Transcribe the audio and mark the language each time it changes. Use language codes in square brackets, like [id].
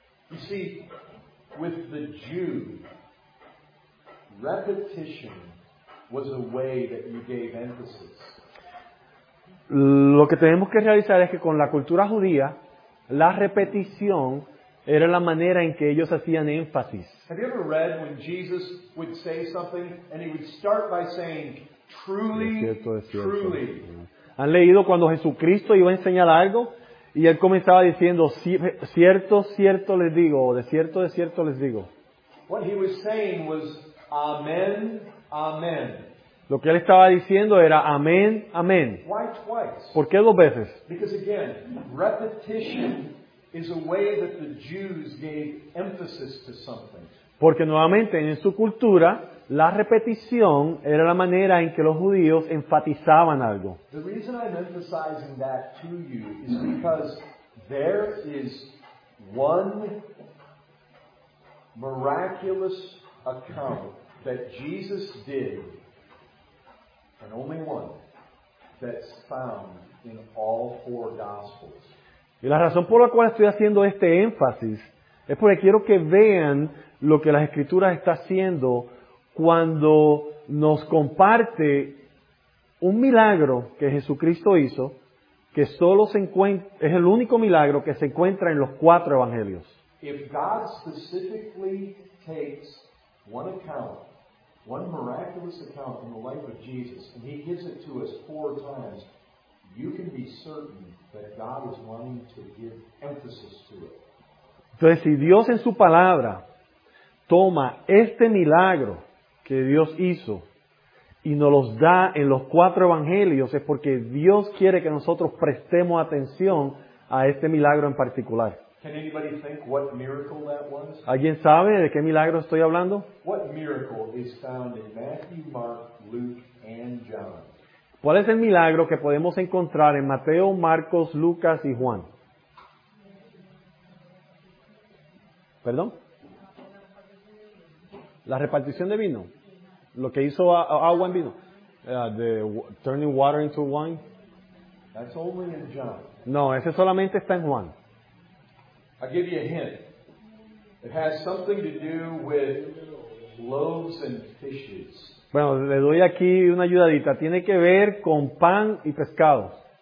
[en] You see, with the Jew, repetition was a way that you gave emphasis. [es] Lo que tenemos que realizar es que con la cultura judía, la repetición era la manera en que ellos hacían énfasis. [en] Have you ever read when Jesus would say something and he would start by saying, truly, truly? [es] ¿Han leído cuando Jesucristo iba a enseñar algo y él comenzaba diciendo, cierto, cierto les digo, o de cierto les digo? [en] What he was saying was, amen, amen. [es] Lo que él estaba diciendo era amén, amén. [en] Why twice? [es] ¿Por qué dos veces? [en] Because again, repetition is a way that the Jews gave emphasis to something. [es] Porque nuevamente en su cultura, la repetición era la manera en que los judíos enfatizaban algo. [en] The reason I'm emphasizing that to you is because there is one miraculous account that Jesus did, and only one, that's found in all four Gospels. [es] Y la razón por la cual estoy haciendo este énfasis es porque quiero que vean lo que las Escrituras están haciendo cuando nos comparte un milagro que Jesucristo hizo, que solo se encuentra, es el único milagro que se encuentra en los cuatro Evangelios. [en] If God specifically takes one account, one miraculous account in the life of Jesus, and he gives it to us four times, you can be certain that God is wanting to give emphasis to it. [es] Entonces, si Dios en su palabra toma este milagro que Dios hizo y nos los da en los cuatro evangelios, es porque Dios quiere que nosotros prestemos atención a este milagro en particular. [en] Can anybody think what miracle that was? [es] ¿Alguien sabe de qué milagro estoy hablando? [en] What miracle is found in Matthew, Mark, Luke, and John? [es] ¿Cuál es el milagro que podemos encontrar en Mateo, Marcos, Lucas y Juan? ¿Perdón? La repartición de vino. Lo que hizo agua en vino. [en] Turning water into wine. That's only in John. [es] No, ese solamente está en Juan. [en] I'll give you a hint. It has something to do with loaves and fishes. [es] Bueno, le doy aquí una ayudadita. Tiene que ver con pan y pescado.